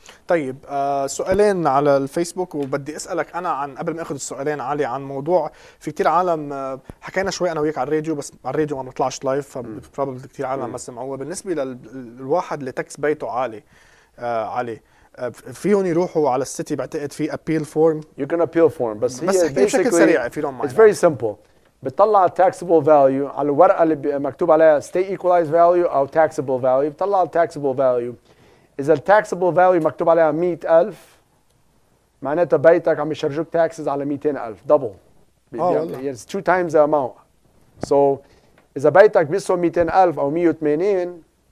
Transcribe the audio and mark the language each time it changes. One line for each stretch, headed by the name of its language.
Arabic: طيب سؤالين على الفيسبوك وبدي اسألك انا عن قبل ما اخذ السؤالين علي عن موضوع في كتير عالم حكينا شوي انا وياك على الراديو بس على الراديو ما بنطلعش لايف فبروبلي كتير عالم ما سمعوه بالنسبة للواحد اللي تاكس بيته عالي علي فيهم يروحوا على السيتي بعتقد في appeal form
English: you can appeal form
Arabic: بس هي بشكل سريع
English: if you don't mind it's very simple
Arabic: بتطلع taxable value على الورقة اللي مكتوب عليها state equalized value أو taxable value بتطلع taxable value إذا taxable value مكتوب عليها 100,000 معناته بيتك عم يشرجوك taxes على 200,000 double
English: it's two times the amount
Arabic: so إذا بيتك بيسوى 200,000 أو 180